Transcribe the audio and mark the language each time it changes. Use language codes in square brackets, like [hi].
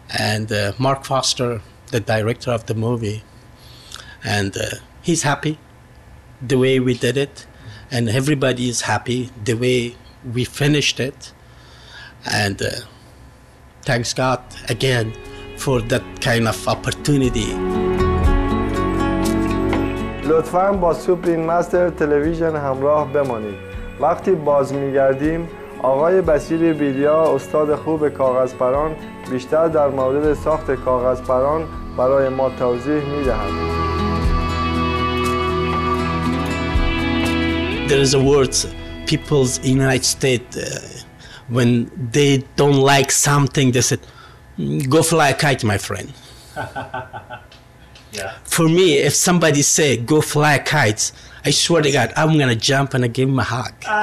[en] And Mark Foster, the director of the movie, and he's happy the way we did it. And everybody is happy the way we finished it. And thanks God again for that kind of opportunity. [fa] لطفاً با سوپرین مستر تلویزیون همراه بمانید. وقتی باز می‌گردیم، آقای بصیر بیریا، استاد خوب کاغذپران، بیشتر در مورد ساخت کاغذپران برای ما توضیح می‌دهد. [en] There is a word, people in the United States, when they don't like something, they said, go fly a kite, my friend. Yeah. For me, if somebody say go fly kites, I swear to God, I'm gonna jump and I give him a hug.